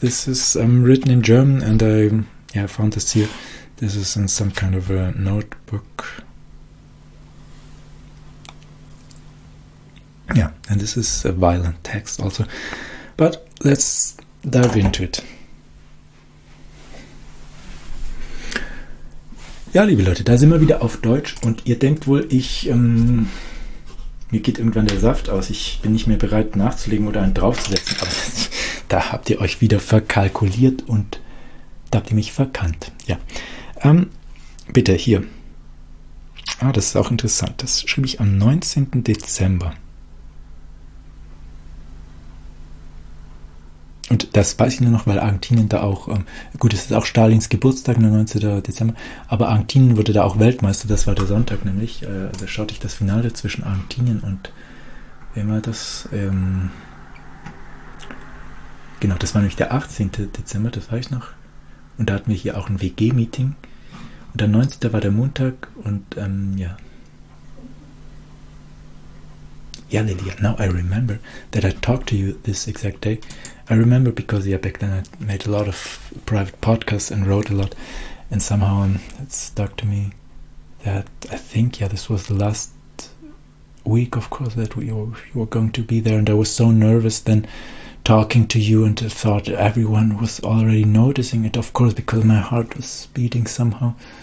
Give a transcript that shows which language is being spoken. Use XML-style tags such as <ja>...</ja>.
<en>This is written in German, and I found this here. This is in some kind of a notebook. Yeah, and this is a violent text also, but let's dive into it.</en> <de>Ja, liebe Leute, da sind wir wieder auf Deutsch und ihr denkt wohl, ich mir geht irgendwann der Saft aus, ich bin nicht mehr bereit nachzulegen oder einen draufzusetzen, aber da habt ihr euch wieder verkalkuliert und da habt ihr mich verkannt. Ja, bitte, hier. Ah, das ist auch interessant, das schrieb ich am 19. Dezember. Und das weiß ich nur noch, weil Argentinien da auch, gut, es ist auch Stalins Geburtstag, der 19. Dezember, aber Argentinien wurde da auch Weltmeister, das war der Sonntag nämlich, da schaute ich das Finale zwischen Argentinien und, wer war das, genau, das war nämlich der 18. Dezember, das weiß ich noch, und da hatten wir hier auch ein WG-Meeting, und der 19. war der Montag, und ja,</de> <en>Yeah, Lydia, now I remember that I talked to you this exact day. I remember because, yeah, back then I made a lot of private podcasts and wrote a lot, and somehow it stuck to me that I think, yeah, this was the last week, of course, that you were going to be there, and I was so nervous then talking to you, and I thought everyone was already noticing it, of course, because my heart was beating somehow.</en>